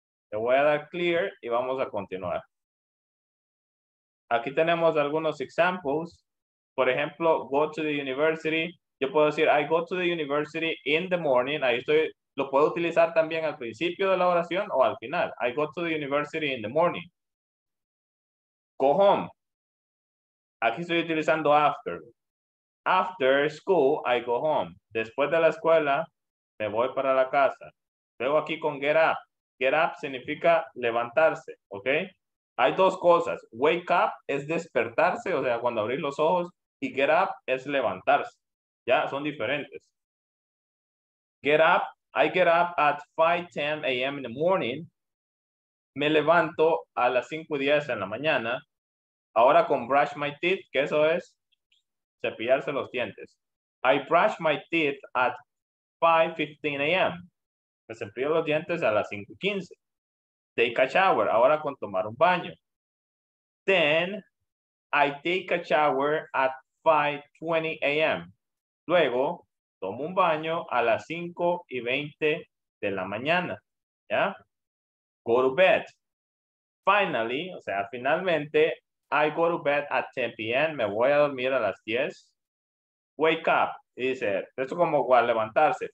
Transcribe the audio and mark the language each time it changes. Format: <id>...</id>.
<es>Le voy a dar clear y vamos a continuar. Aquí tenemos algunos examples. Por ejemplo,</es> <en>go to the university.</en> <es>Yo puedo decir,</es> <en>I go to the university in the morning.</en> <es>Ahí estoy. Lo puedo utilizar también al principio de la oración o al final.</es> <en>I go to the university in the morning. Go home.</en> <es>Aquí estoy utilizando after.</es> <en>After school, I go home.</en> <es>Después de la escuela, me voy para la casa. Luego aquí con get up. Get up significa levantarse, ¿ok? Hay dos cosas. Wake up es despertarse, o sea, cuando abrís los ojos. Y get up es levantarse. Ya, son diferentes. Get up.</es> <en>I get up at 5:10 a.m. in the morning.</en> <es>Me levanto a las 5:10 en la mañana. Ahora con brush my teeth, que eso es cepillarse los dientes.</es> <en>I brush my teeth at 5:15 a.m.</en> <es>Me cepillo los dientes a las 5:15.</es> <en>Take a shower.</en> <es>Ahora con tomar un baño.</es> <en>Then I take a shower at 5:20 a.m.</en> <es>Luego tomo un baño a las 5:20 de la mañana.</es> <en>¿Ya? Go to bed. Finally,</en> <es>o sea, finalmente,</es> <en>I go to bed at 10 p.m.</en> <es>Me voy a dormir a las 10. Wake up. Dice, esto como levantarse.</es>